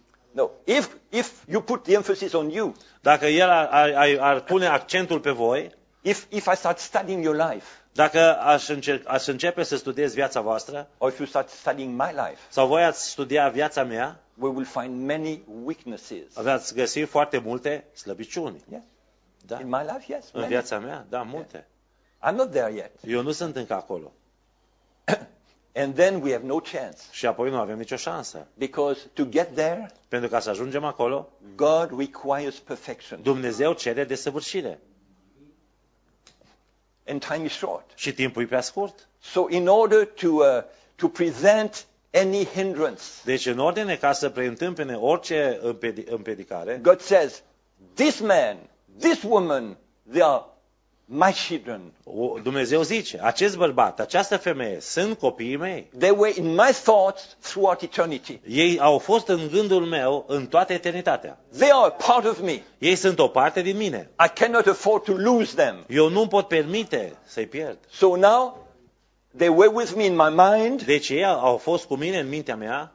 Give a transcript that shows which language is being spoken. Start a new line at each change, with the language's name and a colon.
English: No, if you put the emphasis on you.
Romanian: Dacă el ar pune accentul pe voi.
English: If I start studying your life.
Romanian: Dacă aș începe să studiez viața voastră.
English: Or if you start studying my life.
Romanian: Sau voi ați studia viața mea.
English: We will find many weaknesses.
Romanian: Veți găsi foarte multe slăbiciuni.
English: Yes. Da. In my life, yes.
Romanian: În viața mea, da, multe.
English: Yes. I'm not there yet.
Romanian: Eu nu sunt încă acolo.
English: And then we have no chance.
Romanian: Și apoi nu avem nicio șansă.
English: Because to get there,
Romanian: pentru ca să ajungem acolo,
English: God requires perfection.
Romanian: Dumnezeu cere desăvârșire.
English: And time is short.
Romanian: Și timpul e prea scurt.
English: So in order to prevent any hindrance.
Romanian: Deci în ordine ca să preîntâmpine orice împiedicare.
English: God says, this man, this woman, they are my children.
Romanian: Dumnezeu zice, acest bărbat, această femeie sunt copiii mei.
English: They were in my thoughts throughout eternity.
Romanian: Ei au fost în gândul meu în toată eternitatea.
English: They are part of me.
Romanian: Ei sunt o parte din mine.
English: I cannot afford to lose them.
Romanian: Eu nu pot permite să-i pierd.
English: So now they were with me in my mind.
Romanian: Deci ei au fost cu mine în mintea mea.